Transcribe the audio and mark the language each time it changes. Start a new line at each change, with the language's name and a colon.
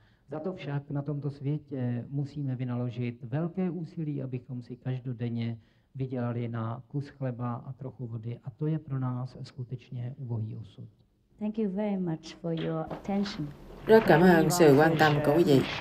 Czech: Za to však na tomto světě musíme vynaložit velké úsilí, abychom si každodenně vydělali na kus chleba a trochu vody, a to je pro nás skutečně ubohý osud.
English: Thank you very much for your attention.
Vietnamese: Rất cảm ơn sự quan tâm của quý vị.